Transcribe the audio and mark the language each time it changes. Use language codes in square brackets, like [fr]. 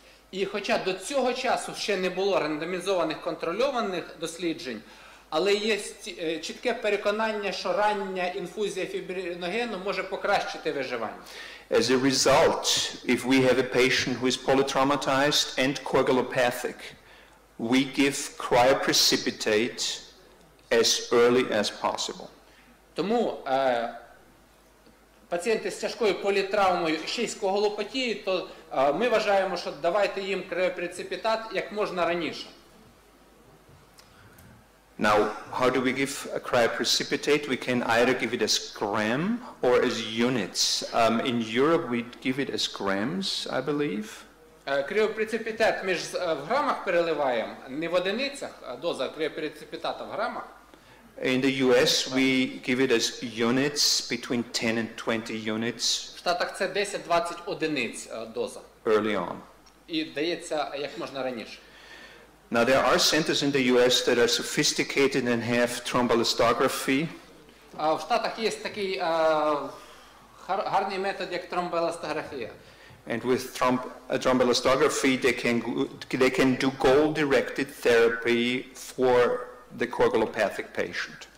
[uk] І хоча до цього часу ще не було рандомізованих контрольованих досліджень, але є чітке переконання, що рання інфузія фібриногену може покращити виживання. [en] As a result, if we have a patient who is polytraumatized and coagulopathic, we give cryoprecipitate as early as possible. [uk] Тому пацієнти з тяжкою політравмою, ще й з коагулопатією, то ми вважаємо, що давайте їм криопрецепітат як можна раніше. [en] Now, how do we give a cryoprecipitate? We can either give it as gram or as units. In Europe, we give it as grams, I believe. [uk] Криопрецепітат ми ж в грамах переливаємо, не в одиницях, доза криопрецепітата в грамах. [en] In the US, we give it as units, between 10 and 20 units. [uk] В Штатах це 10-20 одиниць доза. [en] Early on. [uk] І дається як можна раніше. [en] Now, there are centers in the US that are sophisticated and have thromboelastography. [uk] В Штатах є такий гарний метод, як тромбоелостографія. [en] And with thromboelastography, they can do goal-directed therapy for the coagulopathic patient.